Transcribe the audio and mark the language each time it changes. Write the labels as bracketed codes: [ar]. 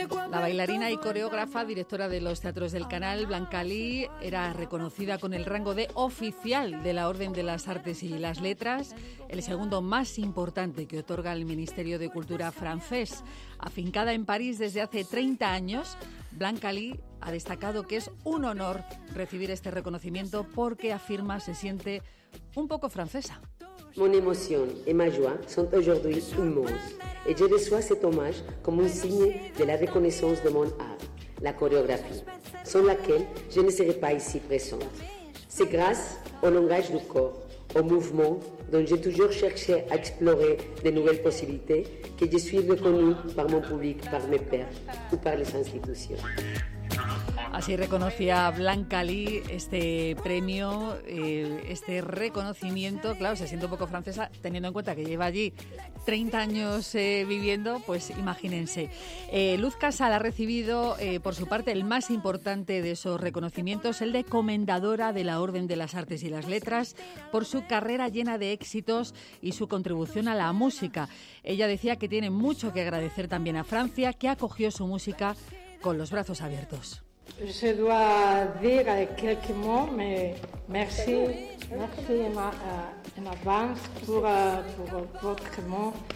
[es] La bailarina y coreógrafa, directora de los teatros del Canal, Blanca Lee, era reconocida con el rango de oficial de la Orden de las Artes y las Letras, el segundo más importante que otorga el Ministerio de Cultura francés. Afincada en París desde hace 30 años, Blanca Lee ha destacado que es un honor recibir este reconocimiento porque afirma se siente un poco francesa. [fr] Mon émotion et ma joie sont aujourd'hui immenses. Et je reçois cet hommage comme un signe de la reconnaissance de mon art, la chorégraphie, sans laquelle je ne serais pas ici présente. C'est grâce au langage du corps, au mouvement dont j'ai toujours cherché à explorer de nouvelles possibilités que je suis reconnue par mon public, par mes pairs ou par les institutions. [es] Así reconocía Blanca Lee este premio, este reconocimiento. Claro, se siente un poco francesa, teniendo en cuenta que lleva allí 30 años viviendo, pues imagínense. Luz Casal ha recibido, por su parte, el más importante de esos reconocimientos, el de Comendadora de la Orden de las Artes y las Letras, por su carrera llena de éxitos y su contribución a la música. Ella decía que tiene mucho que agradecer también a Francia, que acogió su música con los brazos abiertos. [fr] Je dois dire quelques mots, mais merci en avance pour votre mot.